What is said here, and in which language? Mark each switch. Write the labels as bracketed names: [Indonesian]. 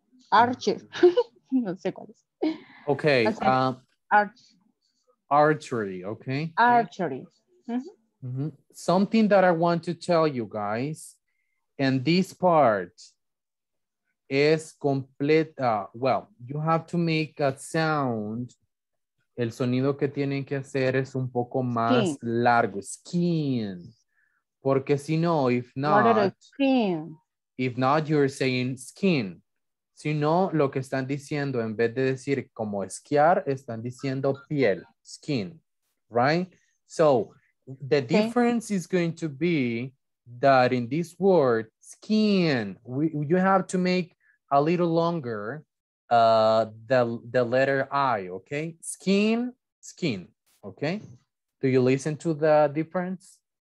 [Spanish] Archer. No sé cuál es. [English] Okay. Archery. Okay. Archery. Mm-hmm. Mm-hmm. Something that I want to tell you guys, and this part is complete. Well, you have to make a sound. [Spanish] El sonido que tienen que hacer es un poco más largo. [English] Skin. [Spanish] Porque si no, [English] if not, you're saying skin. [Spanish] Si no, lo que están diciendo, en vez de decir como esquiar, están diciendo piel, skin, right? [English] So, the difference is going to be that in this word, skin, you have to make a little longer the letter I, okay? Skin, okay? Do you listen to the difference?